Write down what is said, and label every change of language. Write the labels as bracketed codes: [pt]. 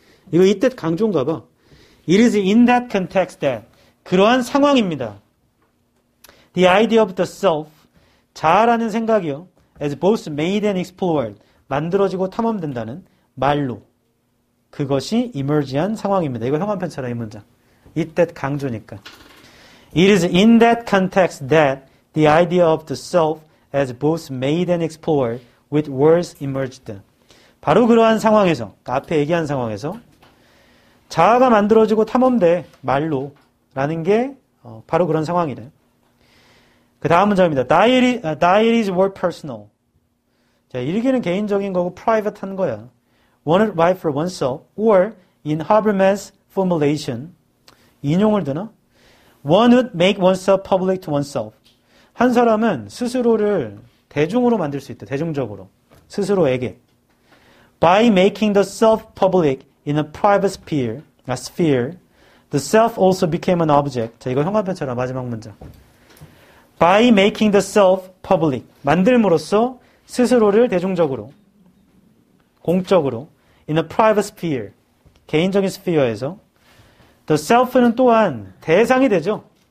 [ko] 이거 [en] it that [ko] 강조인가 봐. [en] It is in that context that [ko] 그러한 상황입니다. [en] The idea of the self [ko] 자아라는 생각이요. [en] As both made and explored, [ko] 만들어지고 탐험된다는 말로 그것이 [en] emerge [ko] 한 상황입니다. 이거 형광펜처럼 이 문장. It that 강조니까. [en] It is in that context that the idea of the self as both made and explored with words emerged. [ko] 바로 그러한 상황에서, 앞에 얘기한 상황에서 자아가 만들어지고 탐험돼 말로 라는 게 바로 그런 상황이래요. 그 다음 문장입니다. [en] Diaries were personal. [ko] 자, 일기는 개인적인 거고 private한 거야. [en] One write for oneself or in Habermas formulation. [ko] 인용을 드나? [en] One would make oneself public to oneself. [ko] 한 사람은 스스로를 대중으로 만들 수 있다. 대중적으로. 스스로에게. [en] By making the self public in a private sphere, a sphere, the self also became an object. [ko] 자, 이거 형광펜처럼 마지막 문장. [en] By making the self public, [ko] 만들므로써 스스로를 대중적으로, 공적으로, [en] in a private sphere, [ko] 개인적인 스피어에서, [en] the self [ko] 는 또한 대상이 되죠.